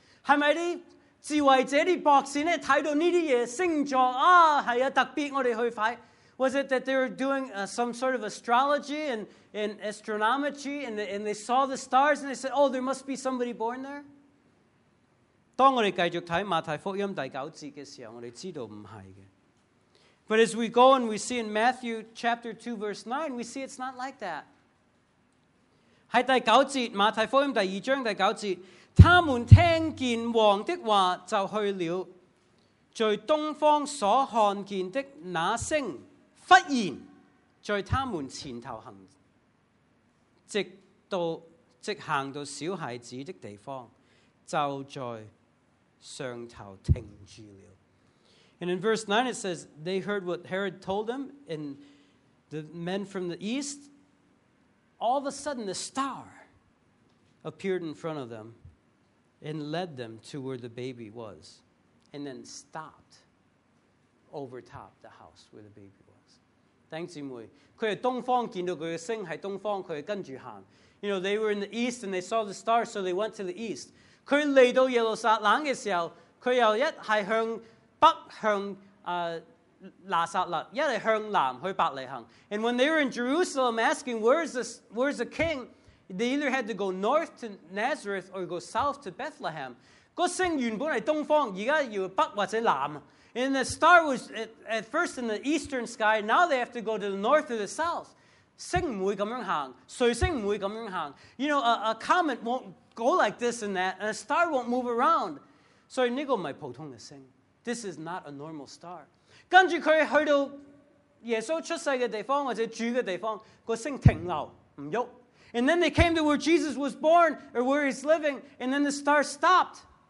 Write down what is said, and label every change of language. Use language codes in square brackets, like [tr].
[zh] 是不是智慧者的博士呢看到这些星座啊，是啊，特别我们去快。 [en] Was it that they were doing some sort of astrology and astronomy and they saw the stars and they said, oh, there must be somebody born there? [zh] 当我们继续看马太福音第九节的时候，我们知道不是的。 [en] But as we go and we see in Matthew chapter 2 verse 9, we see it's not like that. [zh] 在第九节，马太福音第二章第九节，他们听见王的话就去了，在东方所看见的那星忽然在他们前头行，直行到小孩子的地方，就在上头停住了。 [en] And in verse 9 it says, they heard what Herod told them, and the men from the east, all of a sudden the star appeared in front of them and led them to where the baby was, and then stopped over top the house where the baby was. [zh] 弟兄姊妹，他在东方见到他的星在东方，他跟着走。 [en] You know, they were in the east and they saw the star, so they went to the east. [zh] 他来到耶路撒冷的时候，他又一是向北向拿撒勒，一是向南去伯利恒。 [en] And when they were in Jerusalem asking, where's the king? They either had to go north to Nazareth or go south to Bethlehem. [zh] 那星原本是东方，现在要北或者南。 [en] And the star was at first in the eastern sky. Now they have to go to the north or the south. [zh] 星不会这样行, 水星不会这样行. [en] You know, a comet won't go like this and that, and a star won't move around. [zh] 所以这个不是普通的星. [en] This is not a normal star. [zh] 根据他去到耶稣出世的地方或者主的地方，个星停留不动. [en] And then they came to where Jesus was born or where he's living, and then the star stopped.